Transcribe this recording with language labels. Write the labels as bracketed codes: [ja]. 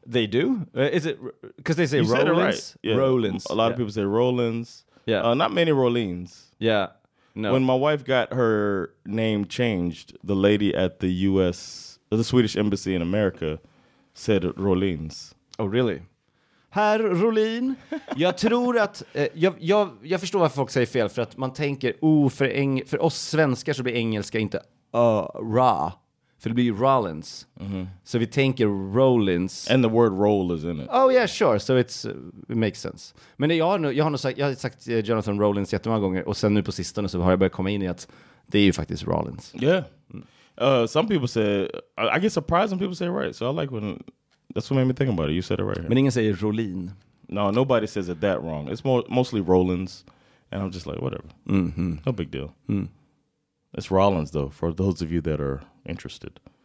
[en] They do? Is it because they say you Rollins? Said it right. Yeah. Rollins. A lot of people say Rollins. Yeah. Not many Rollins. Yeah. No. When my wife got her name changed, the lady at the U.S., the Swedish embassy in America, said Rollins. Oh, really? [sv] Herr Rollin, jag tror att, jag förstår varför folk säger fel, för att man tänker, för oss svenskar så blir engelska inte ra, för det blir Rollins. Mm-hmm. Så vi tänker Rollins. [en] And the word roll is in it. Oh, yeah, sure. So it's, it makes sense. [sv] Men jag har sagt Jonathan Rollins jättemånga gånger, och sen nu på sistone så har jag börjat komma in i att det är ju faktiskt Rollins. [en] Yeah. Some people say, I get surprised when people say it right. So I like when, that's what made me think about it. You said it right here. [sv] Men ingen säger Rollin. [en] No, nobody says it that wrong. It's mostly Rollins. And I'm just like, whatever. Mm-hmm. No big deal. Mm. It's Rollins, though, for those of you that are interested.